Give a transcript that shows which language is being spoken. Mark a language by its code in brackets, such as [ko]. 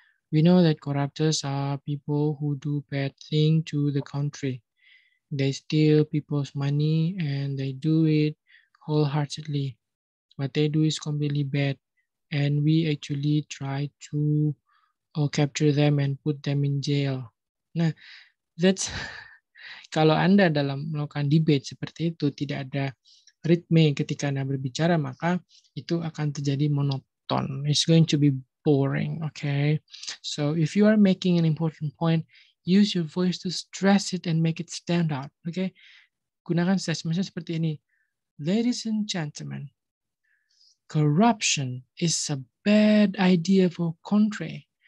[en] We know that corruptors are people who do bad things to the country. They steal people's money and they do it wholeheartedly. What they do is completely bad, and we actually try to capture them and put them in jail. Nah, that's... [id] Kalau Anda dalam melakukan debate seperti itu, tidak ada ritme ketika Anda berbicara, maka itu akan terjadi monoton. [en] It's going to be boring, okay? So, if you are making an important point, use your voice to stress it and make it stand out, okay? [id] Gunakan statement seperti ini. [en] Ladies and gentlemen, corruption is a bad idea for country.